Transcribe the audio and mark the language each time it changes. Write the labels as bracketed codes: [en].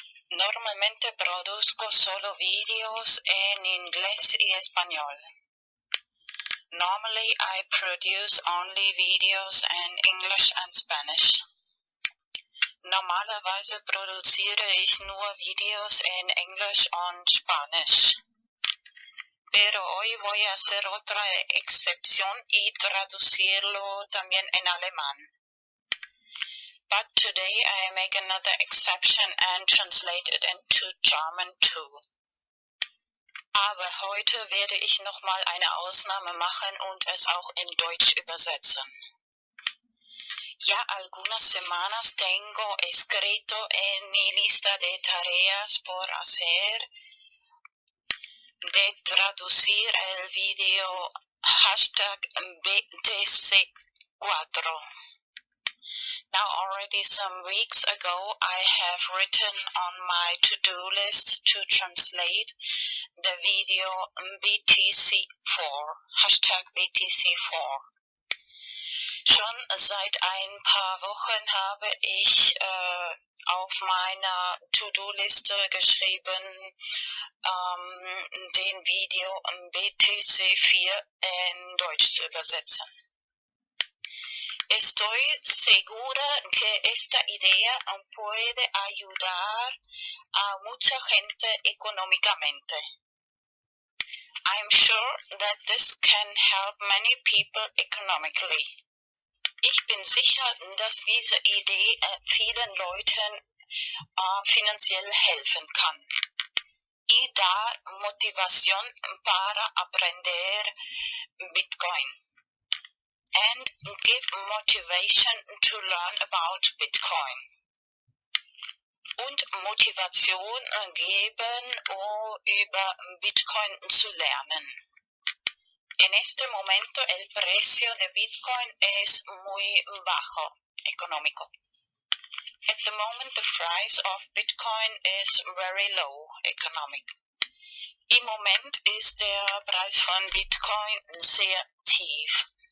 [es] Normalmente produzco solo videos en inglés y español. [en] Normally I produce only videos in English and Spanish. [de] Normalerweise produziere ich nur videos in English und Spanisch. [es] Pero hoy voy a hacer otra excepción y traducirlo también en alemán. [en] But today I make another exception and translate it into German too. [de] Aber heute werde ich nochmal eine Ausnahme machen und es auch in Deutsch übersetzen. [es] Ya algunas semanas tengo escrito en mi lista de tareas por hacer de traducir el video hashtag BTC4. [en] Now already some weeks ago I have written on my to-do list to translate the video BTC4, hashtag BTC4. [de] Schon seit ein paar Wochen habe ich auf meiner To-Do-Liste geschrieben, den Video BTC4 in Deutsch zu übersetzen. [es] Estoy segura que esta idea puede ayudar a mucha gente económicamente. [en] I'm sure that this can help many people economically. [de] Ich bin sicher, dass diese Idee vielen Leuten finanziell helfen kann. [es] Y da motivación para aprender Bitcoin. [en] And give motivation to learn about Bitcoin. [de] Und Motivation geben, um über Bitcoin zu lernen. [es] En este momento el precio de Bitcoin es muy bajo, económico. [en] At the moment the price of Bitcoin is very low, economic. [de] Im Moment ist der Preis von Bitcoin sehr tief.